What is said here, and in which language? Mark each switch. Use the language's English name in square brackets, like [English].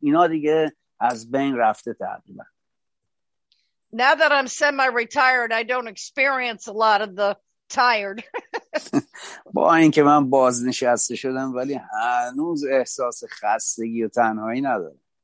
[Persian] اینا دیگه از بین رفته تقریبا. [English] Now that I'm semi-retired, I don't experience a lot of the tired. [Persian] با اینکه من بازنشسته شدم ولی هنوز احساس خستگی و تنهایی ندارم.